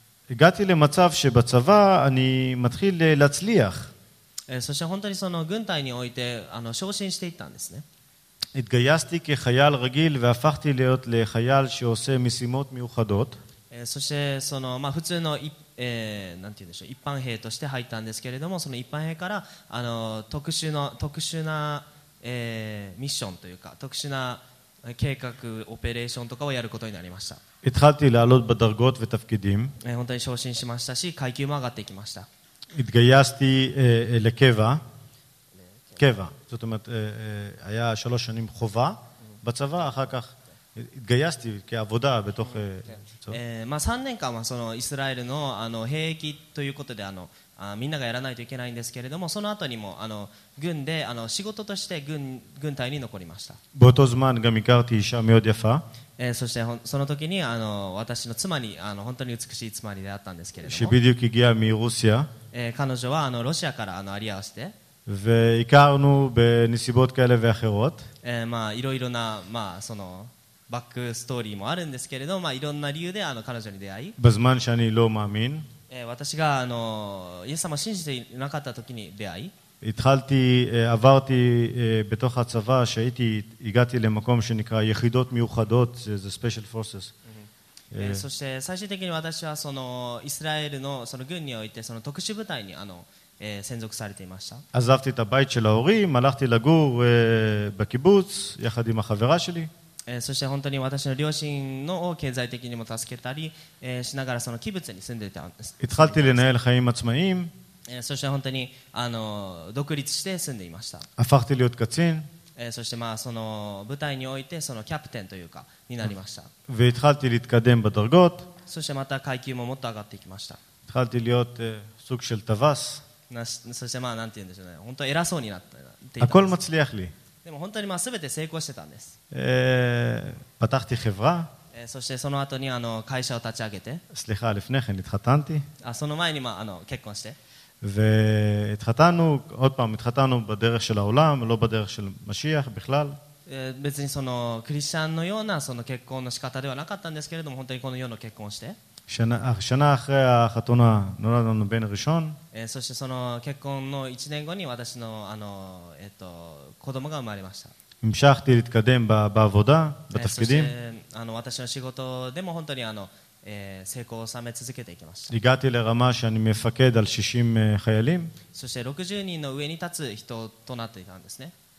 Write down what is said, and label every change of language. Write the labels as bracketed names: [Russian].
[Hebrew] והגעתי למצב שבצבא אני מתחיל להצליח. [Japanese] そして本当にその軍隊において昇進していったんですね。 [Hebrew] התגייסתי כחייל רגיל והפכתי להיות לחייל שעושה משימות מיוחדות. [Japanese] そしてその普通の何て言うんでしょう、一般兵として入ったんですけれども、その一般兵から特殊なミッションというか特殊な計画オペレーションとかをやることになりました。 [Hebrew] התחלתי לעלות בדרגות ותפקידים. [Japanese] 本当に昇進しましたし、階級も上がっていきました。 [Hebrew] התגייסתי לקבע. קבע, זאת אומרת, היה 3 שנים חובה בצבא, אחר כך התגייסתי כעבודה בתוך [Japanese] מה 3 年間はそのイスラエルの兵役ということでみんながやらないといけないんですけれども、その後にも軍で仕事として軍隊に残りました。 [Hebrew] באותו זמן גם הכרתי אישה מאוד יפה. [Japanese] そしてその時に私の妻に本当に美しい妻に出会ったんですけれども、 [Hebrew] שבדיוק הגיעה מרוסיה. [Japanese] 彼女はロシアからアリアをして、 [Hebrew] והכרנו בנסיבות כאלה ואחרות. [Japanese] まあいろいろなまあそのバックストーリーもあるんですけれど、まあいろんな理由で彼女に出会い。 [Hebrew] בזמן שאני לא מאמין. [Japanese] 私がイエス様を信じていなかった時に出会い。 [Hebrew] התחלתי, עברתי בתוך הצבא שהייתי, הגעתי למקום שנקרא יחידות מיוחדות, זה [English] special forces. [Japanese] そして最終的に私はそのイスラエル の, その軍においてその特殊部隊にあの、専属されていました。 [Hebrew] עזבתי את הבית של ההורים, הלכתי לגור בקיבוץ, יחד עם החברה שלי. [Japanese] そして本当に私の両親のを経済的にも助けたり、しながらそのキブツに住んでいたんです。 [Hebrew] התחלתי לנהל חיים עצמאיים. [Japanese] そして本当にあの独立して住んでいました。 [Hebrew] הפכתי להיות קצין. [Japanese] そしてまあその部隊においてそのキャプテンというかになりました。 [Hebrew] והתחלתי להתקדם בדרגות. [Japanese] そしてまた階級ももっと上がっていきました。 [Hebrew] התחלתי להיות סוג של טווס. [Japanese] そしてまあなんて言うんでしょうね。本当偉そうになっていたんです。 [Hebrew] הכל מצליח לי. [Japanese] でも本当にまあ全て成功してたんです。 [Hebrew] פתחתי חברה. [Japanese] そしてその後にあの会社を立ち上げて。 [Hebrew] סליחה, לפני כן התחתנתי. [Japanese] その前にまああの結婚して。 [Hebrew] והתחתנו, עוד פעם, התחתנו בדרך של העולם, לא בדרך של משיח בכלל. [Japanese] 別にそのクリスチャンのようなその結婚の仕方ではなかったんですけれども、本当にこのような結婚して。 [Hebrew] שנה אחרי החתונה נולד לנו בן ראשון. [Japanese] そしてその結婚の1年後に私のあの子供が生まれました。 [Hebrew] המשכתי להתקדם בעבודה, בתפקידים. [Japanese] そしてあの私の仕事でも本当にあの成功を収め続けていきました。 [Hebrew] הגעתי לרמה שאני מפקד על 60 חיילים. [Japanese] そして60人の上に立つ人となっていたんですね。